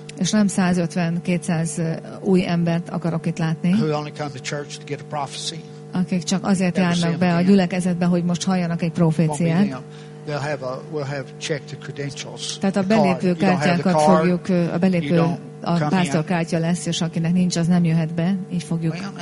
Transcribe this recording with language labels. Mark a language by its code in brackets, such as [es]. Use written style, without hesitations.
[hu] És nem 150-200 új embert akarok itt látni. [en] Who only come to church to get a prophecy. [hu] Akik csak azért járnak be a gyülekezetbe, hogy most halljanak egy proféciát. [en] They'll have we'll have checked the credentials. [hu] Tehát a belépő kártyákat fogjuk, a belépő a pásztor kártya lesz, és akinek nincs, az nem jöhet be. Így fogjuk.